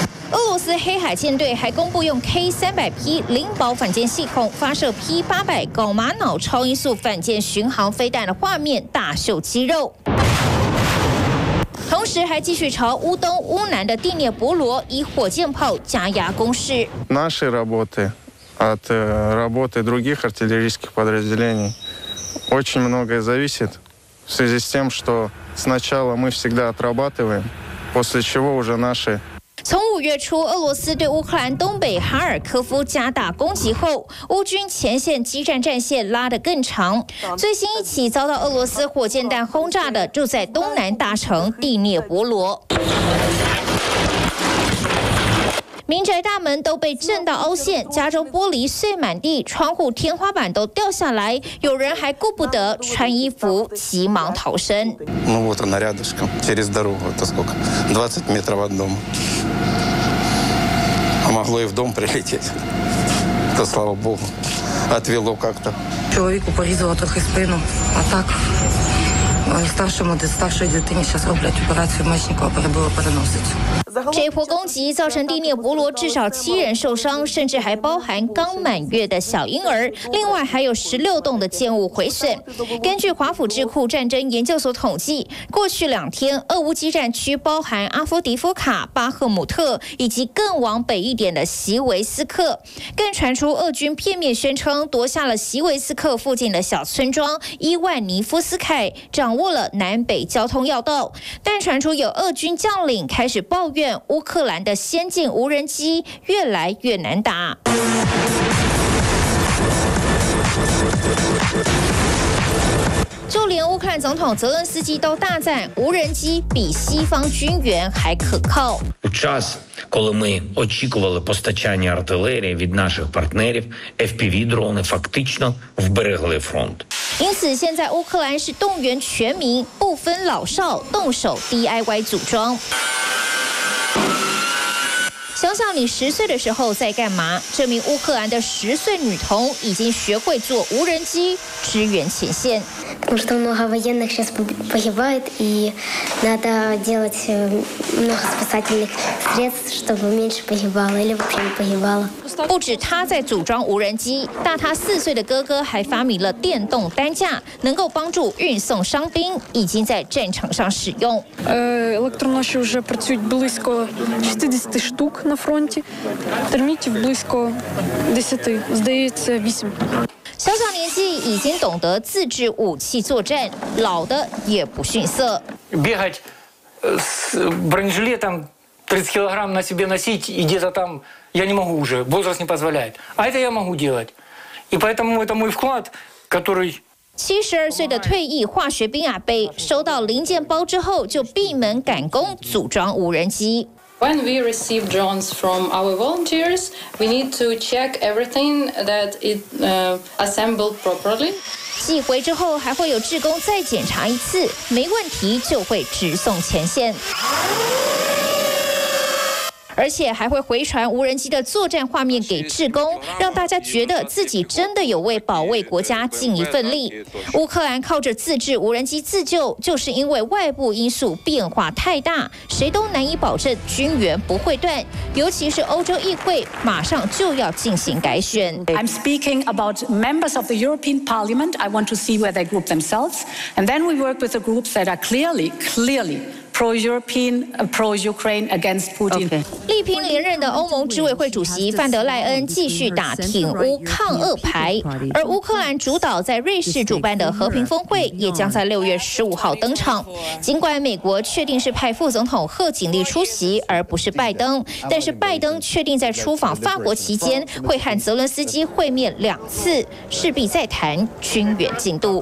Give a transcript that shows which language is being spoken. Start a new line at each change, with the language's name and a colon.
Chinese: 俄罗斯黑海舰队还公布用 K300P 零保反舰系统发射 P800 搞马脑超音速反舰巡航飞弹的画面，大秀肌肉。同时还继续朝乌东乌南的第聂伯罗以火箭炮加压攻势。
Russian: Наши работы от работы других артиллерийских подразделений очень многое зависит в связи с тем, что сначала мы всегда отрабатываем, после чего уже наши
Chinese: 从五月初俄罗斯对乌克兰东北哈尔科夫加大攻击后，乌军前线激战战线拉得更长。最新一起遭到俄罗斯火箭弹轰炸的，住在东南大城第聂伯罗，民宅大门都被震到凹陷，家中玻璃碎满地，窗户天花板都掉下来，有人还顾不得穿衣服，急忙逃生。
Russian: Ну вот она рядышком, через дорогу, это сколько? 20 метров от дома. А могло и в дом прилететь. Это слава богу, отвело как-то. Человеку порезало только спину, а так старшему, да старшей дитине сейчас облять операцию Мечникова перебило переносить.
Chinese: 这波攻击造成第聂伯罗至少七人受伤，甚至还包含刚满月的小婴儿，另外还有16栋的建物毁损。根据华府智库战争研究所统计，过去两天俄乌激战区包含阿夫迪夫卡、巴赫姆特以及更往北一点的席维斯克，更传出俄军片面宣称夺下了席维斯克附近的小村庄伊万尼夫斯凯，掌握了南北交通要道，但传出有俄军将领开始抱怨乌克兰的先进无人机越来越难打。就连乌克兰总统泽伦斯基都大赞无人机比西方军援还可靠。
Ukrainian: У час, коли ми очікували постачання артилерії від наших партнерів, FPV дрони фактично вберегли фронт.
Chinese: 因此，现在乌克兰是动员全民，不分老少，动手 DIY 组装。想想你十岁的时候在干嘛？这名乌克兰的十岁女童已经学会做无人机支援前线。
Russian: Потому что много военных сейчас погибает, и надо делать много спасательных средств, чтобы меньше погибало или вообще не погибало.
Chinese: 不止她在组装无人机，大她四岁的哥哥还发明了电动担架，能够帮助运送伤兵，已经在战场上使用。
Ukrainian: Електронаші вже працюють близько 60 штук на фронті, термітів близько 10, здається 8.
Chinese: 小小年纪已经懂得自制武器作战，老的也不逊色。
Russian: Бегать с бронежилетом 30 килограмм на себе носить и где-то там я не могу уже, возраст не позволяет. А это я могу делать, и поэтому это мой вклад, который.
Chinese: 72岁的退役化学兵阿贝收到零件包之后，就闭门赶工组装无人机。
English: When we receive drones from our volunteers, we need to check everything that it assembled properly.
Chinese: 寄回之后还会有志工再检查一次，没问题就会直送前线。而且还会回传无人机的作战画面给志工，让大家觉得自己真的有为保卫国家尽一份力。乌克兰靠着自制无人机自救，就是因为外部因素变化太大，谁都难以保证军援不会断。尤其是欧洲议会马上就要进行改选。
English: I'm speaking about members of the European Parliament. I want to see where they group themselves, and then we work with the groups that are clearly. Pro-European, pro-Ukraine against Putin.
Chinese: 力拼连任的欧盟执委会主席范德赖恩继续打挺乌抗俄牌，而乌克兰主导在瑞士主办的和平峰会也将在6月15号登场。尽管美国确定是派副总统贺锦丽出席，而不是拜登，但是拜登确定在出访法国期间会和泽伦斯基会面两次，势必再谈军援进度。